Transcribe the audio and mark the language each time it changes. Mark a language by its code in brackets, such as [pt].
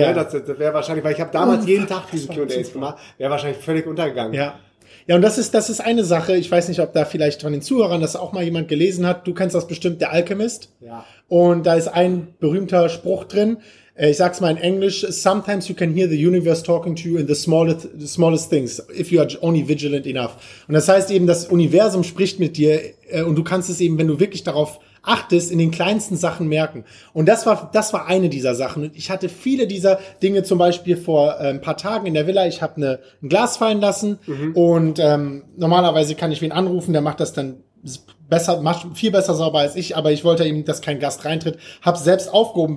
[de] Ja. Das wäre wahrscheinlich, weil ich habe damals jeden Tag diese Q&As gemacht, wäre wahrscheinlich völlig untergegangen. Ja. Ja, und das ist eine Sache. Ich weiß nicht, ob da vielleicht von den Zuhörern das auch mal jemand gelesen hat. Du kennst das bestimmt, der Alchemist. Ja. Und da ist ein berühmter Spruch drin. Ich sag's mal in Englisch. [en] Sometimes you can hear the universe talking to you in the smallest things, if you are only vigilant enough. [de] Und das heißt eben, das Universum spricht mit dir. Und du kannst es eben, wenn du wirklich darauf achtest, in den kleinsten Sachen merken. Und das war eine dieser Sachen. Ich hatte viele dieser Dinge zum Beispiel vor ein paar Tagen in der Villa. Ich habe ein Glas fallen lassen und normalerweise kann ich wen anrufen, der macht das dann viel besser sauber als ich, aber ich wollte eben, dass kein Gast reintritt. Habe selbst aufgehoben.